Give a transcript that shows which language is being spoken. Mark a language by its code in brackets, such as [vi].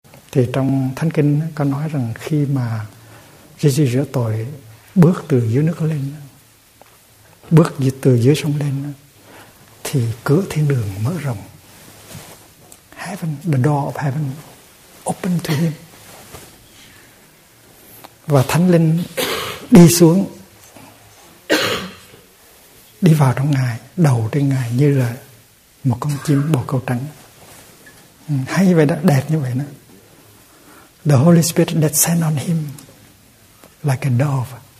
[vi] Thì trong Thánh Kinh có nói rằng khi mà Jesus rửa tội bước từ dưới nước lên, bước từ dưới sông lên, thì cửa thiên đường mở rộng. [en] Heaven, the door of heaven open to him. [vi] Và Thánh Linh đi xuống, đi vào trong Ngài, đầu trên Ngài như là một con chim bồ câu trắng. Hay vậy đó, đẹp như vậy đó. [en] The Holy Spirit descend on him like a dove.